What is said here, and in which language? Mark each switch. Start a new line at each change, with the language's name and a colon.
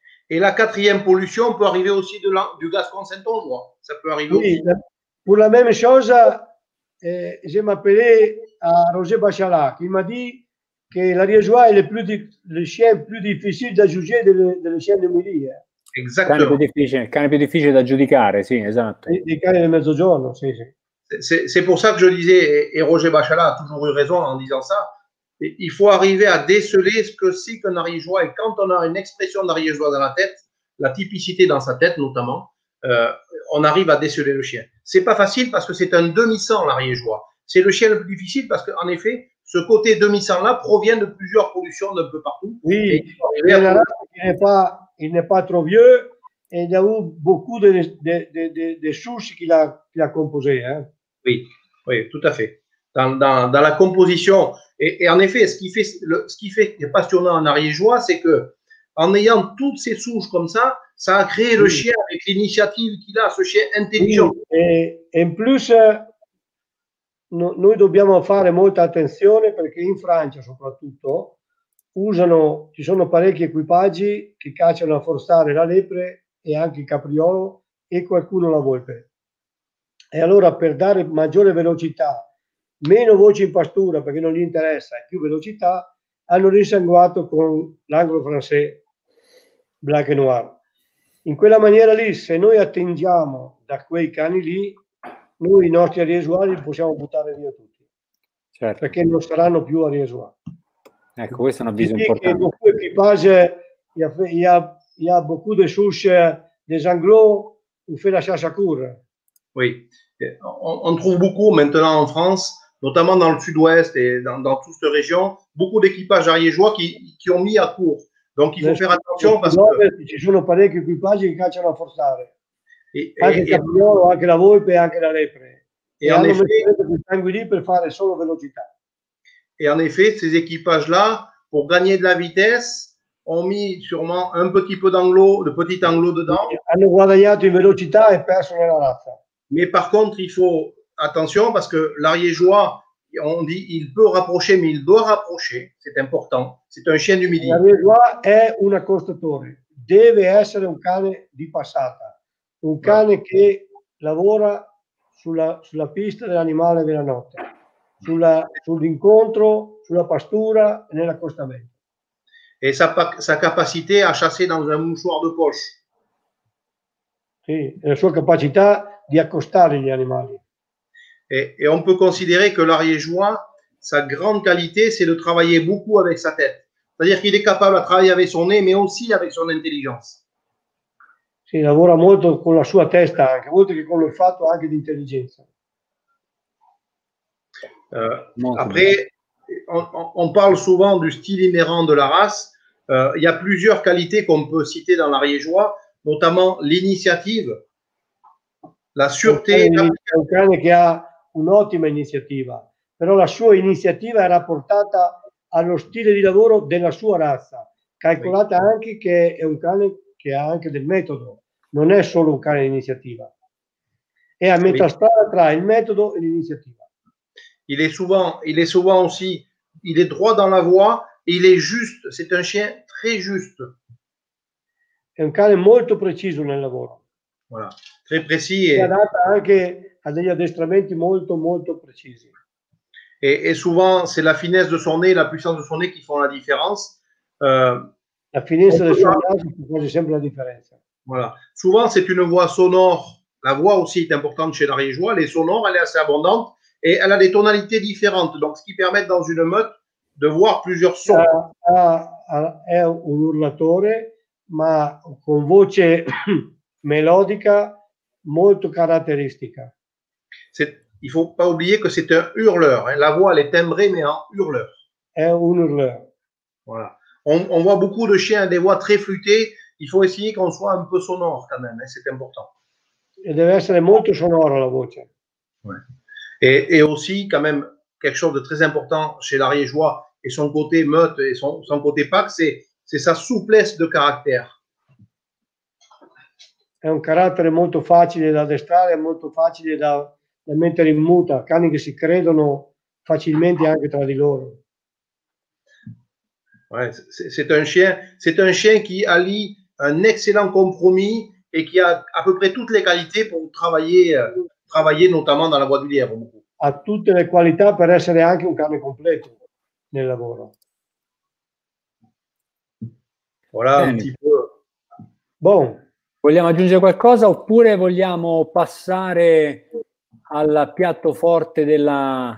French: Et la quatrième pollution peut arriver aussi de du gascon saint-ongeois. Ça peut arriver aussi. Oui, pour la même chose, j'ai appelé à Roger Bachalat qui m'a dit que l'ariégeois est le chien plus difficile à juger des chiens de midi. Exactement.
Italian: Cane
French: plus difficile à juger,
Italian: sì, esatto.
French: Des
Italian: cani del mezzogiorno, sì, sì.
French: C'est pour ça que je disais, et Roger Bachalat a toujours eu raison en disant ça, il faut arriver à déceler ce que c'est qu'un ariégeois, et quand on a une expression d'ariégeois dans la tête, la typicité dans sa tête notamment, on arrive à déceler le chien. C'est pas facile parce que c'est un demi-sang l'ariégeois. C'est le chien le plus difficile parce qu'en effet, ce côté demi-sang-là provient de plusieurs pollutions d'un peu partout. Oui, il n'est pas trop vieux et il y a eu beaucoup de souches qu'il a composées. Hein. Oui, oui, tout à fait. Dans la composition, et en effet, ce qui fait passionnant en ariégeois, c'est que en ayant toutes ces souches comme ça, ça a créé le chien avec l'initiative qu'il a, ce chien intelligent. Oui. Et en plus,
Italian: noi dobbiamo fare molta attenzione perché in Francia soprattutto ci sono parecchi equipaggi che cacciano a forzare la lepre e anche il capriolo e qualcuno la volpe. E allora per dare maggiore velocità, meno voci in pastura perché non gli interessa e più velocità, hanno risanguato con l'anglo-francese Black and Noir. In quella maniera lì, se noi attingiamo da quei cani lì, noi i nostri ariesuali li possiamo buttare via tutti, certo, perché non saranno più ariesuali. Ecco, questo è un avviso importante. Che
French: beaucoup d'équipage, il y a beaucoup de souches des Anglos qui fait la chasse à courre. Oui, on trouve beaucoup maintenant en France, notamment dans le sud-ouest et dans toute cette région, beaucoup d'équipages ariégeois qui ont mis à court. Donc il faut faire attention parce que
Italian: ci sono parecchi equipaggi che cacciano a forzare. Anche il capriolo, anche la volpe, anche la lepre. E hanno effetto di sangue lì per fare solo velocità.
French: Et en effet, ces équipages-là, pour gagner de la vitesse, ont mis sûrement un petit peu d'anglo, de petit anglo dedans.
Italian: Hanno guadagnato in velocità e perso nella razza.
French: Mais par contre, il faut attention parce que l'ariégeois, on dit, il peut rapprocher, mais il doit rapprocher. C'est important. C'est un chien du midi.
Italian: L'ariégeois è un accostatore. Deve essere un cane di passata. Un cane che lavora sulla pista dell'animale della notte. Sull'incontro, sulla pastura e nell'accostamento. E sa capacità
French: a chasser dans un mouchoir de poche.
Italian: Sì, la sua capacità di accostare gli animali. E
French: on peut considérer que l'ariégeois, sa grande qualité, c'est de travailler beaucoup avec sa tête. C'est-à-dire qu'il est capable de travailler avec son nez, mais aussi avec son intelligence.
Italian: Sì, lavora molto con la sua testa, anche molto che con il fatto anche di intelligenza.
French: Après, on parle souvent du style inhérent de la race. Il y a plusieurs qualités qu'on peut citer dans l'ariégeois, notamment l'initiative, la sûreté. C'est un
Italian: cane qui a un'ottima iniziativa, però la sua iniziativa era portata allo stile di lavoro della sua razza, calcolata anche che è un cane che ha anche del metodo, non è solo un cane di iniziativa, è a metà strada tra il metodo e l'iniziativa.
French: Il est souvent aussi, il est droit dans la voie et il est juste. C'est un chien très juste.
Italian: È un cane molto preciso nel lavoro.
French: Voilà, très précis.
Italian: Si adatta anche a degli addestramenti molto molto precisi.
French: Et souvent, c'est la finesse de son nez, la puissance de son nez qui font la différence.
Italian: La finesse del suo naso fa quasi sempre la differenza.
French: Voilà. Souvent, c'est une voix sonore. La voix aussi est importante chez l'ariégeois. Elle est sonore, elle est assez abondante et elle a des tonalités différentes. Donc, ce qui permet dans une meute de voir plusieurs sons.
Italian: È un urlatore, ma con voce melodica molto caratteristica.
French: Il ne faut pas oublier que c'est un hurleur. Hein. La voix, elle est timbrée, mais en hurleur. Est un hurleur. Voilà. On voit beaucoup de chiens, des voix très flûtées. Il faut essayer qu'on soit un peu sonore quand même. Hein. C'est important. Il doit être très sonore, la voix. Ouais. Et aussi, quand même, quelque chose de très important chez l'ariégeois et son côté meute et son côté pack, c'est sa souplesse de caractère. C'est un caractère très facile
Italian: d'addestrare, très facile da mettere in muta, cani che si credono facilmente anche tra di loro.
French: Ouais, c'est un chien qui allie un excellent compromis et qui a à peu près toutes les qualités pour travailler notamment dans la voie du lièvre.
Italian: Ha tutte le qualità per essere anche un cane completo nel lavoro.
French: Voilà.
Italian: Bene.
French: Un petit peu. Bon.
Italian: Vogliamo aggiungere qualcosa oppure vogliamo passare al piatto forte della...